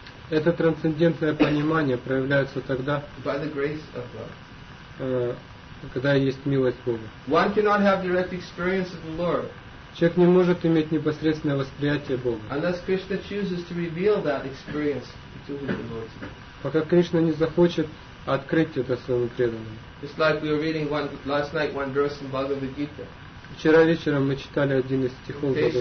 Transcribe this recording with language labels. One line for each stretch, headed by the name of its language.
Russian: Это трансцендентное понимание проявляется тогда.
English: By the grace of God.
Russian: Когда есть милость Бога.
English: One cannot have direct experience of the Lord.
Russian: Человек не может иметь непосредственное восприятие Бога.
English: Unless Krishna chooses to reveal that experience to the devotee.
Russian: Пока Кришна не захочет открыть это своему преданному.
English: It's like we were reading last night one verse in Bhagavad Gita.
Russian: Вчера вечером мы читали один из стихов